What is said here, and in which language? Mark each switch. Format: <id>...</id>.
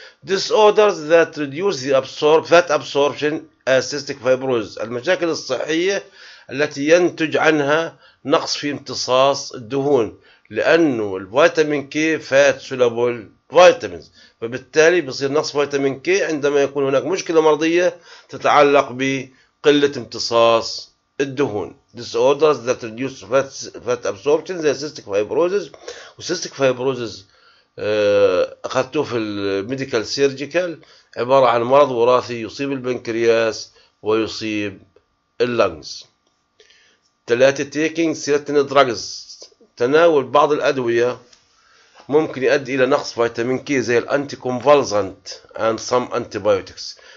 <en>disorders that reduce the fat absorption cystic fibrosis،</en> <ar>المشاكل الصحيه التي ينتج عنها نقص في امتصاص الدهون، لانه الفيتامين كي فات سولابل فيتامينز، فبالتالي بصير نقص فيتامين كي عندما يكون هناك مشكله مرضيه تتعلق بقله امتصاص الدهون.</ar> <en>Disorders that reduce fat absorption زي cystic fibrosis.</en> <ar>و cystic fibrosis أخذته في الميديكال سيرجيكال عبارة عن مرض وراثي يصيب البنكرياس ويصيب اللنجز. ثلاثة</ar> <en>taking certain drugs،</en> <ar>تناول بعض الأدوية ممكن يؤدي إلى نقص فيتامين كي زي الأنتي كونفالزنت</ar> <en>and some antibiotics.</en>